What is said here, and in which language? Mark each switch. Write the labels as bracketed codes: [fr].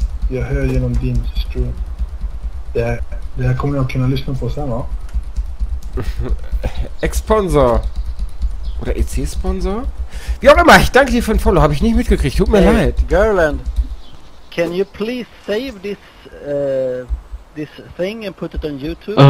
[sv] Jag hör genom din stream. Det här kommer jag kunna lyssna på sen, va? [de] Ex-Sponsor! Oder EC-Sponsor? Wie auch immer, ich danke dir für den Follow, habe ich nicht mitgekriegt, tut mir leid. [en] Girlland, can you please save this this thing and put it on YouTube?